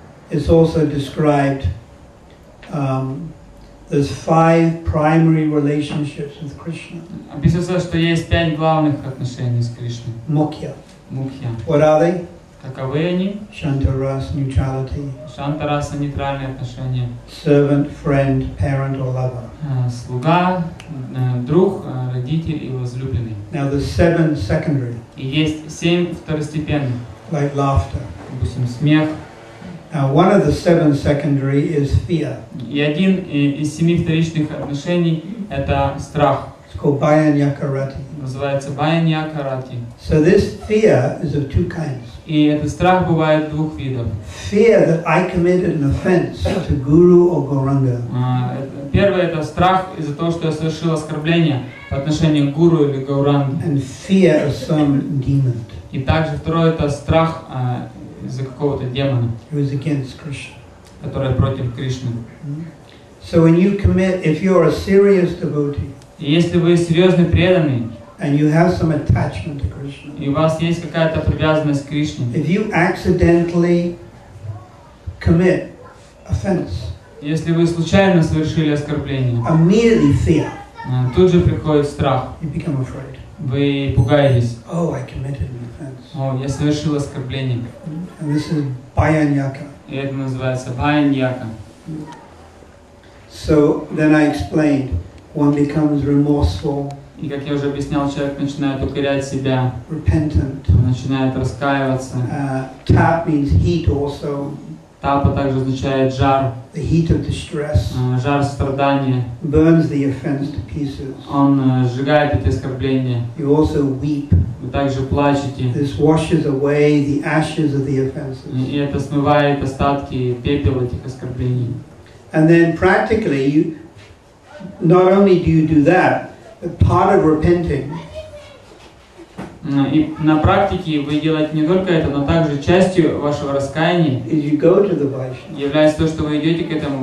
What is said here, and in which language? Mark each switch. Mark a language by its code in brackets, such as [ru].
[en] It's also described there's 5 primary relationships with Krishna. [ru] Описывается, что есть 5 главных отношений с Кришной. [en] Mukhya. [ru] Mukhya. [en] What are they? [ru] Каковы они? [en] Shantaras, neutrality. [ru] Shantarasa, нейтральные отношения. [en] Servant, friend, parent or lover. [ru] Слуга, друг, родитель и возлюбленный. [en] Now the 7 secondary. [ru] И есть 7 второстепенных. [en] Like laughter. [ru] Допустим, смех. [en] Now, one of the 7 secondary is fear. [ru] И один из 7 вторичных отношений – это страх. [en] It's called bhayanyakarati. [ru] Называется bhayanyakarati. [en] So this fear is of 2 kinds. [ru] И этот страх бывает 2 видов. [en] Fear that I committed an offense to guru or gauranga. [ru] Первое – это страх из-за того, что я совершил оскорбление по отношению к гуру или гауранге. [en] And fear of some demon. [ru] И также второе – это страх из-за какого-то демона, [en] who's against Krishna. [ru] Которая против Кришны. [en] So when you commit, if you are a serious devotee, [ru] и если вы серьезный преданный, [en] and you have some attachment to Krishna, [ru] и у вас есть какая-то привязанность к Кришне, [en] if you accidentally commit offense, [ru] если вы случайно совершили оскорбление, [en] immediately fear, [ru] тут же приходит страх, [en] you become afraid, [ru] вы пугаетесь, [en] oh, I committed an offense, [ru] о, я совершил оскорбление, [en] and this is bhayanyaka. [ru] И это называется бхайаньяка. [en] So then I explained, one becomes remorseful. [ru] И как я уже объяснял, человек начинает укорять себя. [en] Repentant. [ru] Начинает раскаиваться. [en] Tap means heat also. [ru] Тапа также означает жар. [en] The heat of distress. [ru] Жар страдания. [en] Burns the offense to pieces. [ru] Он сжигает это оскорбление. [en] You also weep. [ru] Вы также плачете. [en] This washes away the ashes of the offenses. [ru] И это смывает остатки пепел этих оскорблений. [en] And then practically, you, not only do you do that, but part of repenting. [ru] И на практике вы делаете не только это, но также частью вашего раскаяния является то, что вы идете к этому